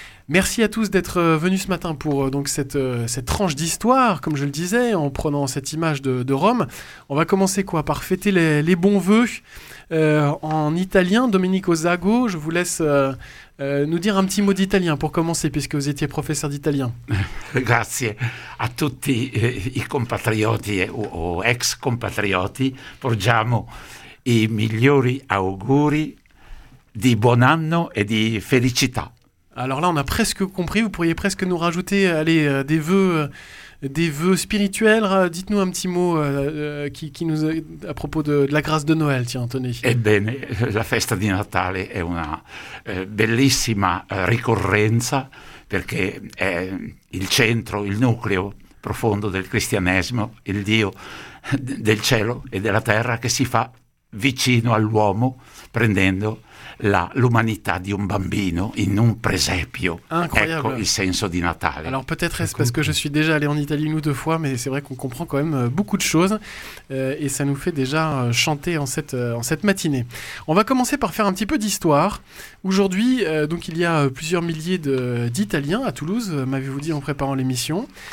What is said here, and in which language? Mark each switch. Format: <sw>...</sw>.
<fr>Merci à tous d'être venus ce matin pour donc cette tranche d'histoire, comme je le disais, en prenant cette image de Rome. On va commencer quoi par fêter les bons vœux en italien. Domenico Zago, je vous laisse nous dire un petit mot d'italien pour commencer, puisque vous étiez professeur d'italien.</fr> <it>Grazie a tutti i compatrioti o ex compatrioti, porgiamo i migliori auguri di buon anno e di felicità.</it> <fr>Alors là, on a presque compris. Vous pourriez presque nous rajouter, allez, des vœux spirituels. Dites-nous un petit mot qui nous à propos de la grâce de Noël, tiens, Tony. Eh bien,</fr> <it>la festa di Natale è una bellissima ricorrenza perché è il centro, il nucleo profondo del cristianesimo, il Dio del cielo e della terra che si fa vicino all'uomo prendendo l'umanità di un bambino in un presepio.</it> <fr>Incroyable.</fr> <it>Ecco il senso di Natale.</it> <fr>Alors peut-être est-ce parce que je suis déjà allé en Italie une ou deux fois, mais c'est vrai qu'on comprend quand même beaucoup de choses et ça nous fait déjà chanter en cette matinée. On va commencer par faire un petit peu d'histoire. Aujourd'hui, donc il y a plusieurs milliers d'Italiens à Toulouse, m'avez-vous dit en préparant l'émission.</fr>